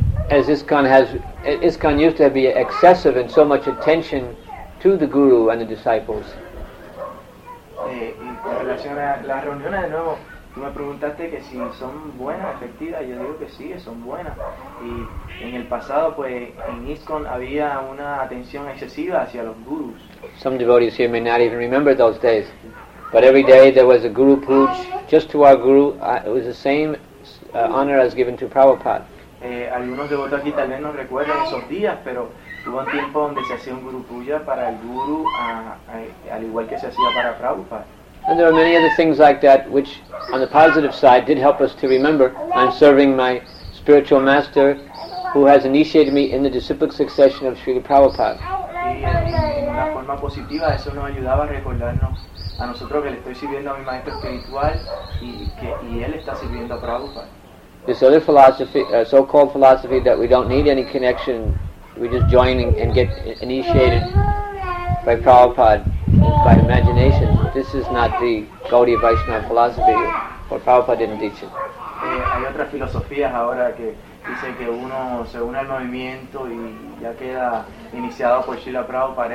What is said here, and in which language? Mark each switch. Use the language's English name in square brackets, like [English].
[English] As ISKCON used to be excessive in so much attention to the guru and the disciples. [Spanish] En relación a las reuniones, de nuevo, tú me preguntaste que si son buenas, efectivas. Yo digo que sí, son buenas. Y en el pasado, pues, en ISKCON había una atención excesiva hacia los gurus. [English] Some devotees here may not even remember those days, but every day there was a guru pooj just to our guru. It was the same honor as given to Prabhupada. [Spanish] Algunos devotos aquí tal vez no recuerdan esos días, pero hubo un tiempo donde se hacía un guru puya para el guru, al igual que se hacía para Prabhupada. [English] And there are many other things like that which, on the positive side, did help us to remember I'm serving my spiritual master who has initiated me in the disciplic succession of Srila Prabhupada. [Spanish] Y en la forma positiva, eso nos ayudaba a recordarnos a nosotros que le estoy sirviendo a mi maestro espiritual y él está sirviendo a Prabhupada. [English] This other philosophy, so-called philosophy, that we don't need any connection, we just join and get initiated by Prabhupada, by imagination. This is not the Gaudiya Vaishnava philosophy, or Prabhupada didn't teach it. [Spanish] Hay otras filosofías ahora que dicen que uno se une al movimiento y ya queda iniciado por Srila Prabhupada.